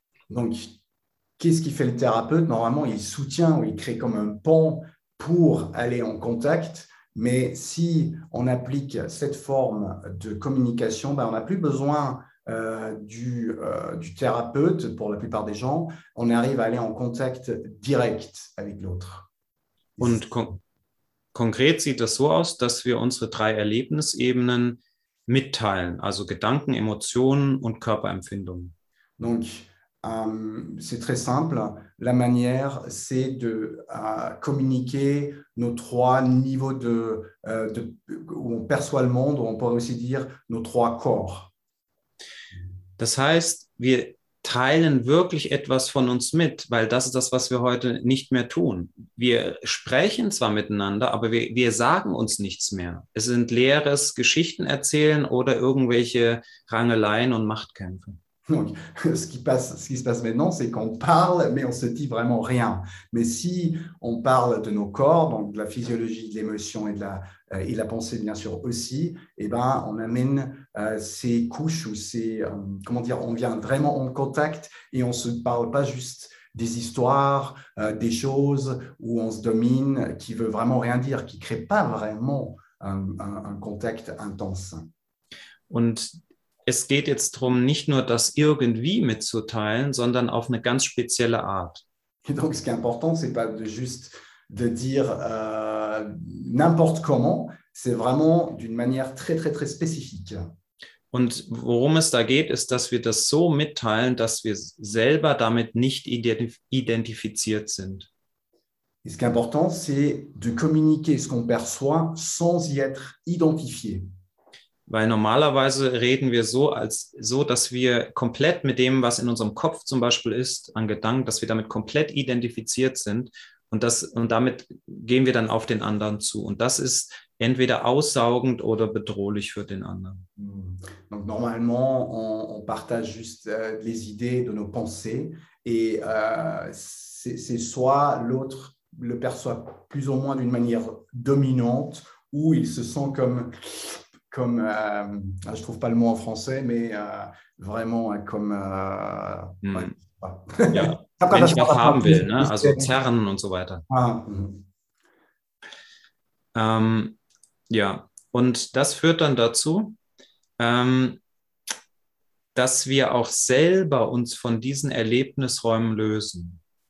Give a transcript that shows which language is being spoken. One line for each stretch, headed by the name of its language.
French: Donc, qu'est-ce qui fait le thérapeute? Normalement, il soutient ou il crée comme un pont pour aller en contact. Mais si on applique cette forme de communication, ben, on n'a plus besoin du thérapeute pour la plupart des gens. On arrive à aller en contact direct avec l'autre.
German: Und konkret sieht das so aus, dass wir unsere drei Erlebnisebenen mitteilen, also Gedanken, Emotionen und Körperempfindungen.
French: Donc, c'est très simple. La manière, c'est de communiquer nos trois niveaux de où on perçoit le monde, ou on pourrait aussi dire nos trois corps.
German: Das heißt, wir teilen wirklich etwas von uns mit, weil das ist das, was wir heute nicht mehr tun. Wir sprechen zwar miteinander, aber wir sagen uns nichts mehr. Es sind leeres Geschichten erzählen oder irgendwelche Rangeleien und Machtkämpfe.
French: Donc, ce qui se passe maintenant, c'est qu'on parle, mais on se dit vraiment rien. Mais si on parle de nos corps, donc de la physiologie, de l'émotion et de la pensée, bien sûr, aussi, eh ben, on amène ces couches ou on vient vraiment en contact et on ne se parle pas juste des histoires, des choses où on se domine, qui ne veut vraiment rien dire, qui ne crée pas vraiment un contact intense.
German: Es geht jetzt darum, nicht nur das irgendwie mitzuteilen, sondern auf eine ganz spezielle Art.
French: Et donc, ce qui est important, c'est pas de juste de dire n'importe comment, c'est vraiment d'une manière très, très, très spécifique.
German: Und worum es da geht, ist, dass wir das so mitteilen, dass wir selber damit nicht identifiziert sind.
French: Et ce qui est important, c'est de communiquer ce qu'on perçoit sans y être identifié.
German: Weil normalerweise reden wir so, dass wir komplett mit dem, was in unserem Kopf zum Beispiel ist, an Gedanken, dass wir damit komplett identifiziert sind und damit gehen wir dann auf den anderen zu. Und das ist entweder aussaugend oder bedrohlich für den anderen.
French: Donc normalement, on partage juste les idées de nos pensées et c'est soit l'autre le perçoit plus ou moins d'une manière dominante ou il se sent comme je trouve pas le mot en français, mais vraiment comme.
German: Ja, wenn ich was haben will, ne? Also zerren und so weiter. Ah. Ja, und das führt dann dazu, dass wir auch selber uns von diesen Erlebnisräumen lösen.